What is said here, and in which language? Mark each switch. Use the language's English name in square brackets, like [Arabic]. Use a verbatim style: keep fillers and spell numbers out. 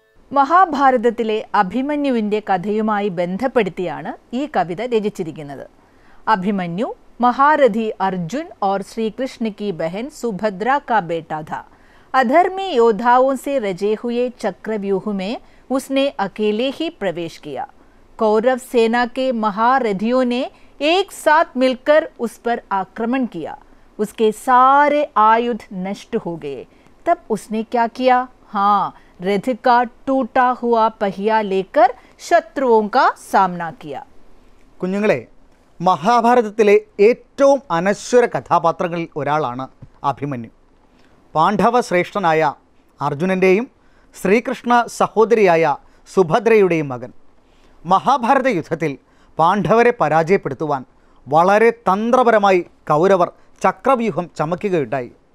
[Malayalam] മഹാഭാരതത്തിലെ അഭിമന്യുവിൻ്റെ കഥയുമായി ബന്ധപ്പെടുത്തിയാണ് ഈ കവിത രചിച്ചിരിക്കുന്നത്. [Hindi] അഭിമന്യു മഹാരഥി അർജുൻ ഓർ ശ്രീകൃഷ്ണക്ക് ബഹൻ സുഭദ്ര കാ ബേട്ടാ ഥാ. अधर्मी योद्धाओं से रजे हुए चक्रव्यूह में उसने अकेले ही प्रवेश किया. कौरव सेना के महारथियों ने एक साथ मिलकर उस पर आक्रमण किया. उसके सारे आयुध नष्ट हो गए. तब उसने क्या किया? हाँ, रथ का टूटा हुआ पहिया लेकर शत्रुओं का सामना किया. [Malayalam] കുഞ്ഞുങ്ങളെ, മഹാഭാരതത്തിലെ ഏറ്റവും അനശ്വര കഥാപാത്രങ്ങളിൽ ഒരാളാണ് അഭിമന്യു. പാണ്ഡവശ്രേഷ്ഠനായ അർജുനൻ്റെയും ശ്രീകൃഷ്ണ സഹോദരിയായ സുഭദ്രയുടെയും മകൻ. മഹാഭാരത യുദ്ധത്തിൽ പാണ്ഡവരെ പരാജയപ്പെടുത്തുവാൻ വളരെ തന്ത്രപരമായി കൗരവർ ചക്രവ്യൂഹം ചമക്കുകയുണ്ടായി.